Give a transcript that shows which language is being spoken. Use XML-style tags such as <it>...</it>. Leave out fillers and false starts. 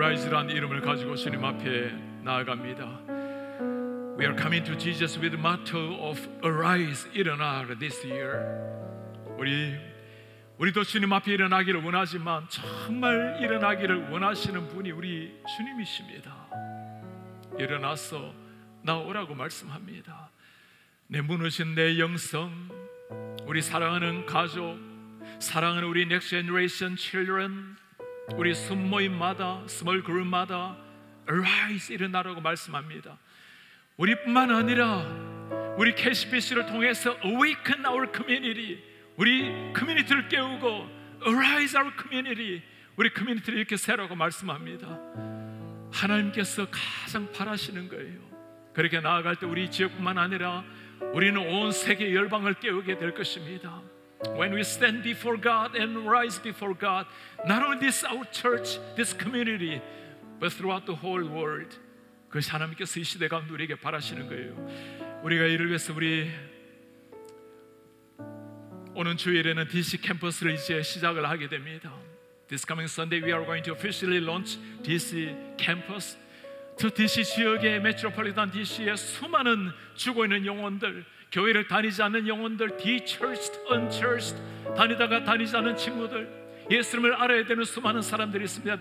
<ko>라는 이름을 가지고 주님 앞에 나아갑니다.</ko> <en>We are coming to Jesus with the motto of arise,</en> <ko>일어나</ko> <en>this year.</en> <ko>우리도 주님 앞에 일어나기를 원하지만 정말 일어나기를 원하시는 분이 우리 주님이십니다. 일어나서 나오라고 말씀합니다. 내 무너진 내 영성, 우리 사랑하는 가족, 사랑하는 우리</ko> <en>next generation children,</en> <ko>우리 순모임마다, 스몰 그룹마다 Arise, 일어나라고 말씀합니다. 우리뿐만 아니라 우리 KCBC를 통해서</ko> <en>Awaken our community,</en> <ko>우리 커뮤니티를 깨우고</ko> <en>Arise our community,</en> <ko>우리 커뮤니티를 이렇게 세라고 말씀합니다. 하나님께서 가장 바라시는 거예요. 그렇게 나아갈 때 우리 지역뿐만 아니라 우리는 온 세계 열방을 깨우게 될 것입니다.</ko> <en>When we stand before God and rise before God, not only this our church, this community, but throughout the whole world.</en> <ko>그것이 하나님께서 이 시대 가운데 우리에게 바라시는 거예요. 우리가 이를 위해서 우리 오는 주일에는 DC 캠퍼스를 이제 시작을 하게 됩니다.</ko> <en>This coming Sunday we are going to officially launch DC campus.</en> <ko>저 DC 지역의 메트로폴리탄 DC의 수많은 죽어 있는 영혼들, 교회를 다니지 않는 영혼들,</ko> <en>de-churched, unchurched,</en> <ko>다니다가 다니지 않는 친구들, 예수님을 알아야 되는 수많은 사람들이 있습니다.</ko>